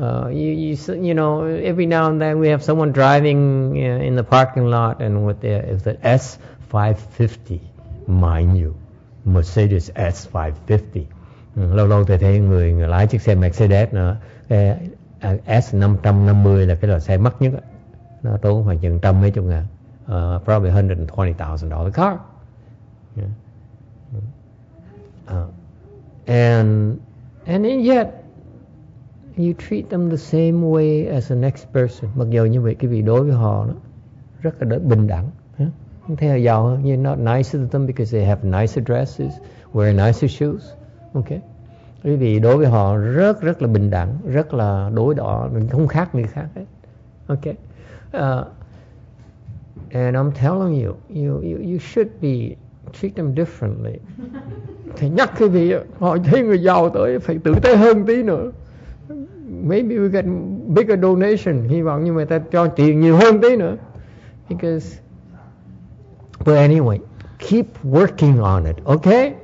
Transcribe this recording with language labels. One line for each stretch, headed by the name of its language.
English: you know, every now and then we have someone driving in the parking lot and with the S550, mind you, Mercedes S550.
Vietnamese: Lâu lâu tôi thấy người lái chiếc xe Mercedes nữa, S550 là cái loại xe mắc nhất, nó tốn khoảng chừng trăm mấy chục ngàn,
English: probably $120,000 car. And yet you treat them the same way as the next person.
Vietnamese: Mặc dù như vậy, cái vị đối với họ đó, rất là đối bình đẳng. Không thấy họ giàu hơn.
English: You're not nicer to them because they have nicer dresses, wear nicer shoes. Okay.
Vietnamese: Quý vị đối với họ rất rất là bình đẳng, rất là đối đỏ, không khác người khác hết.
English: Okay. And I'm telling you, you should be treat them differently.
Vietnamese: Thì nhắc quý vị, họ thấy người giàu tới phải tử tế hơn tí nữa.
English: Maybe we get bigger donation.
Vietnamese: Hy vọng như người ta cho tiền nhiều hơn tí nữa.
English: Because, but anyway, keep working on it, okay?